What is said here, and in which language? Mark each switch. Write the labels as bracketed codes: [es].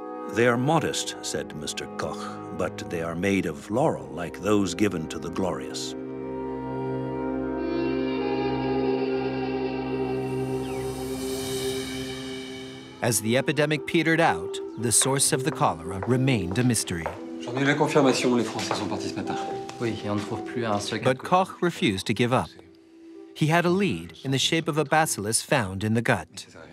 [en] They are modest, said Mr. Koch, but they are made of laurel like those given to the glorious. As the epidemic petered out, the source of the cholera remained a mystery. [fr] J'en ai la confirmation, les Français sont partis ce matin. Oui, et on ne trouve plus un seul. [en] But Koch refused to give up. He had a lead in the shape of a bacillus found in the gut.